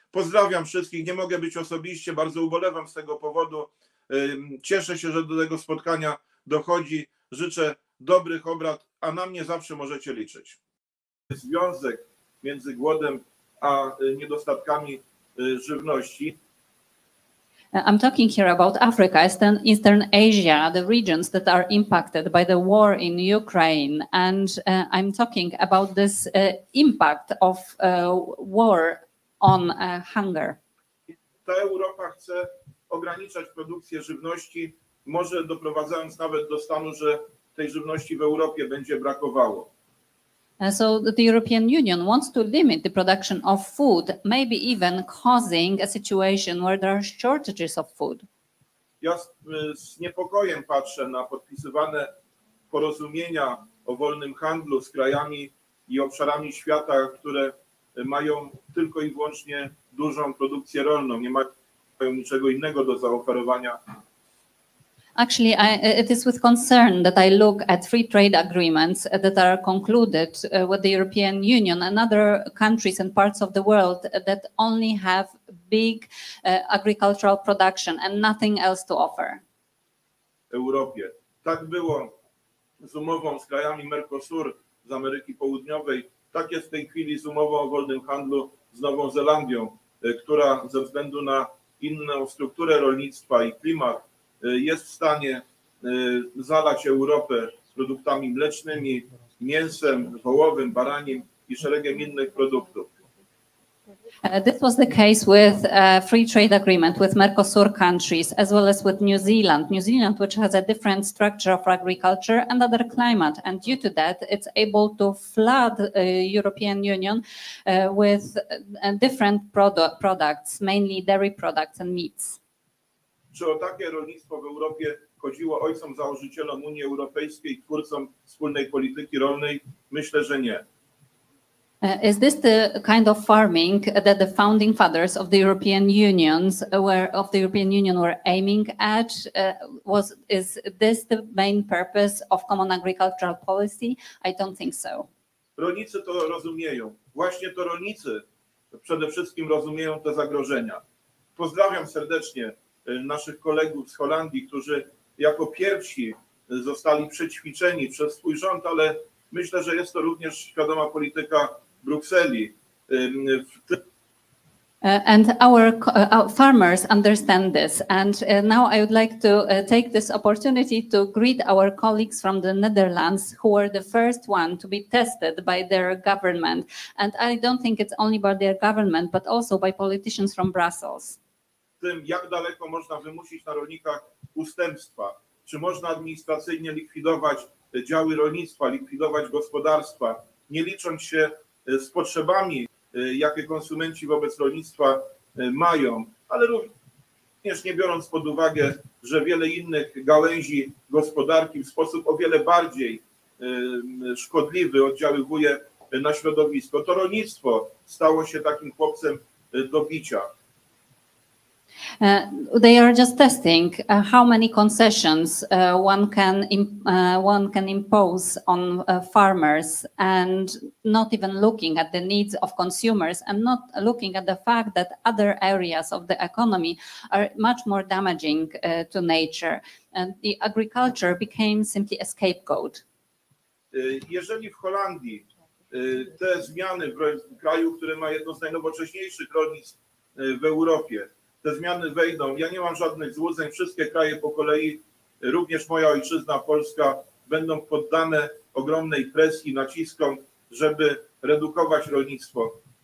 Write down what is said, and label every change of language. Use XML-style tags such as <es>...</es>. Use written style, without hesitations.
<pl>Pozdrawiam wszystkich, nie mogę być osobiście, bardzo ubolewam z tego powodu. Cieszę się, że do tego spotkania dochodzi. Życzę dobrych obrad, a na mnie zawsze możecie liczyć. Związek między głodem a niedostatkami żywności.</pl> <en>I'm talking here about Africa, Eastern Asia, the regions that are impacted by the war in Ukraine. And I'm talking about this impact of war on hunger.</en> <pl>Ta Europa chce ograniczać produkcję żywności, może doprowadzając nawet do stanu, że tej żywności w Europie będzie brakowało.</pl> <en>So the European Union wants to limit the production of food, maybe even causing a situation where there are shortages of food.</en> <pl>Ja z niepokojem patrzę na podpisywane porozumienia o wolnym handlu z krajami i obszarami świata, które mają tylko i wyłącznie dużą produkcję rolną, nie mają niczego innego do zaoferowania.</pl> <en>Actually, it is with concern that I look at free trade agreements that are concluded with the European Union and other countries and parts of the world that only have big agricultural production and nothing else to offer.</en> <pl>Europie. Tak było z umową z krajami Mercosur z Ameryki Południowej. Tak jest w tej chwili z umową o wolnym handlu z Nową Zelandią, która ze względu na inną strukturę rolnictwa i klimat jest w stanie zalać Europę produktami mlecznymi, mięsem wołowym, baraniem i szeregiem innych produktów.</pl> <en>This was the case with a free trade agreement with Mercosur countries, as well as with New Zealand. New Zealand, which has a different structure of agriculture and other climate, and due to that, it's able to flood European Union with different products, mainly dairy products and meats.</en> <pl>Czy o takie rolnictwo w Europie chodziło ojcom założycielom Unii Europejskiej, twórcom wspólnej polityki rolnej? Myślę, że nie.</pl> <en>Is this the kind of farming that the founding fathers of the European Union were aiming at? Is this the main purpose of common agricultural policy? I don't think so.</en> <pl>Rolnicy to rozumieją. Właśnie to rolnicy przede wszystkim rozumieją te zagrożenia. Pozdrawiam serdecznie naszych kolegów z Holandii, którzy jako pierwsi zostali przećwiczeni przez swój rząd, ale myślę, że jest to również świadoma polityka Brukseli w tym,</pl> <en>And our farmers understand this. And now I would like to take this opportunity to greet our colleagues from the Netherlands who were the first one to be tested by their government. And I don't think it's only by their government, but also by politicians from Brussels.</en> <pl>Tym, jak daleko można wymusić na rolnikach ustępstwa? Czy można administracyjnie likwidować działy rolnictwa, likwidować gospodarstwa, nie licząc się z potrzebami, jakie konsumenci wobec rolnictwa mają, ale również nie biorąc pod uwagę, że wiele innych gałęzi gospodarki w sposób o wiele bardziej szkodliwy oddziaływuje na środowisko. To rolnictwo stało się takim chłopcem do bicia.</pl> <en>They are just testing how many concessions one can impose on farmers, and not even looking at the needs of consumers, and not looking at the fact that other areas of the economy are much more damaging to nature, and the agriculture became simply a scapegoat.</en> <pl>Jeżeli w Holandii te zmiany w kraju, który ma jedno z najnowocześniejszych rolnictw w Europie, te zmiany wejdą. Ja nie mam żadnych złudzeń. Wszystkie kraje po kolei, również moja ojczyzna Polska, będą poddane ogromnej presji, naciskom, żeby redukować rolnictwo.</pl>